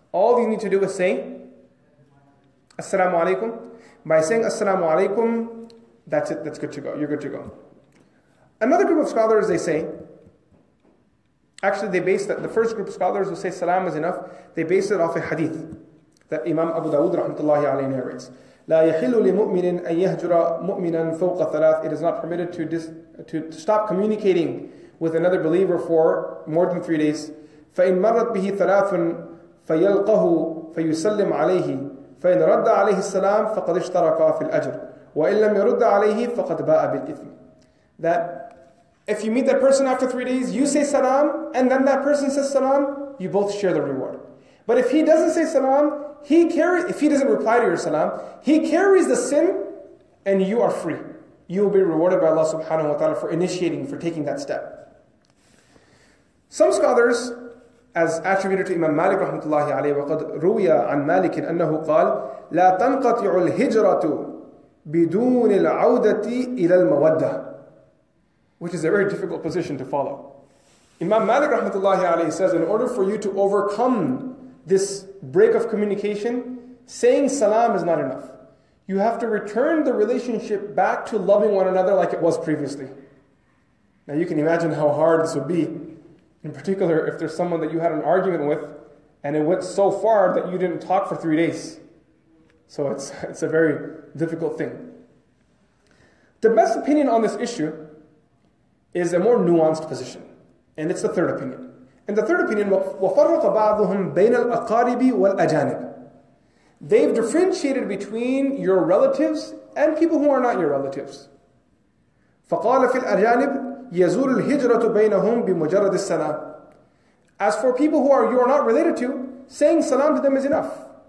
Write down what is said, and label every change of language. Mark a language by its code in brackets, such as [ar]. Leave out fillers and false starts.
[en] All you need to do is say assalamu alaikum. By saying assalamu alaikum, that's it, that's good to go, you're good to go. Another group of scholars, they say, actually they base that, the first group of scholars who say salam is enough, they base it off a hadith that Imam Abu Dawud rahmatullahi alayhi narrates. [ar] لا يحل لمؤمن أن يهجر مؤمنا فوق ثلاث. [en] It is not permitted to stop communicating with another believer for more than 3 days. [ar] فإن مرت به ثلاث فيلقه فيسلم عليه فإن رد عليه السلام فقد اشترك في الأجر وإن لم يرد عليه فقد باء بالإثم. [en] That if you meet that person after 3 days, you say salam, and then that person says salam, you both share the reward. But if he doesn't say salam, if he doesn't reply to your salam, he carries the sin, and you are free. You will be rewarded by Allah subhanahu wa ta'ala for initiating, for taking that step. Some scholars, as attributed to Imam Malik rahmatullahi alayhi, [ar] وَقَدْ رُوِيَ عَنْ مَالِكٍ أَنَّهُ قَالَ لَا تَنْقَطِعُ الْهِجْرَةُ بِدُونِ الْعَوْدَةِ إِلَى الْمَوَدَّةِ. [en] Which is a very difficult position to follow. Imam Malik rahmatullahi alayhi says, in order for you to overcome this break of communication, saying salam is not enough. You have to return the relationship back to loving one another like it was previously. Now you can imagine how hard this would be. In particular, if there's someone that you had an argument with and it went so far that you didn't talk for 3 days. So it's a very difficult thing. The best opinion on this issue is a more nuanced position, and it's the third opinion. And the third opinion, [ar] وَفَرَّقَ بَعْضُهُمْ بَيْنَ الْأَقَارِبِ وَالْأَجَانِبِ. [en] They've differentiated between your relatives and people who are not your relatives. [ar] فَقَالَ فِي الْأَجَانِبِ يَزُولُ الْهِجْرَةُ بَيْنَهُمْ بِمُجَرَّدِ السَّلَامِ. [en] As for people who are you are not related to, saying salam to them is enough.